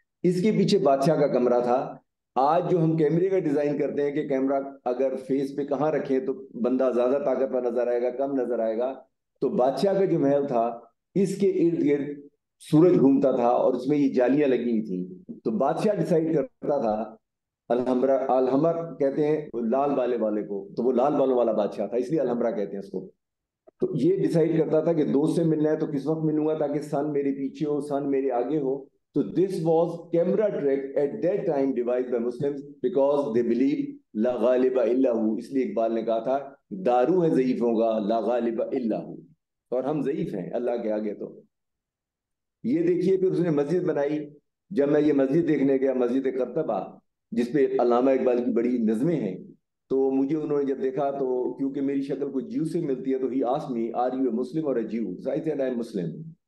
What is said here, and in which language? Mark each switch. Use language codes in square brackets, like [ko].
[ur] اس کے پیچھے بادشاہ کا کمرہ تھا. آج جو ہم کیمرے کا ڈیزائن کرتے ہیں کہ کیمرہ اگر فیس پہ کہاں رکھے تو بندہ زیادہ طاقتور نظر آئے گا کم نظر آئے گا, تو بادشاہ کا جو محل تھا اس کے ارد گرد سورج گھومتا تھا اور اس میں یہ جالیاں لگی ہوئی تھیں. تو بادشاہ ڈیسائیڈ کرتا تھا, الحمرہ کہتے ہیں وہ لال والے والے کو, تو وہ لال والوں والا بادشاہ تھا اس لیے الحمرہ کہتے ہیں اس کو. تو یہ ڈیسائیڈ کرتا تھا کہ دوست سے ملنا ہے تو کس وقت ملوں گا تاکہ سن میرے پیچھے ہو سن میرے آگے ہو. [en] So this was camera trick at that time devised by Muslims because they believe [ar] لا غالب الا ہو. [ur] اس لیے اقبال نے کہا تھا دارو ہے ضعیفوں کا [ar] لا غالب الا ہو, [ur] اور ہم ضعیف ہیں اللہ کے آگے. تو یہ دیکھیے پھر اس نے مسجد بنائی. جب میں یہ مسجد دیکھنے گیا مسجد قرطبہ جس پہ علامہ اقبال کی بڑی نظمیں ہیں, تو مجھے انہوں نے جب دیکھا تو کیونکہ میری شکل کو جیو سے ملتی ہے تو [en] ہی ask me are you a Muslim اور a Jew, I said I am Muslim.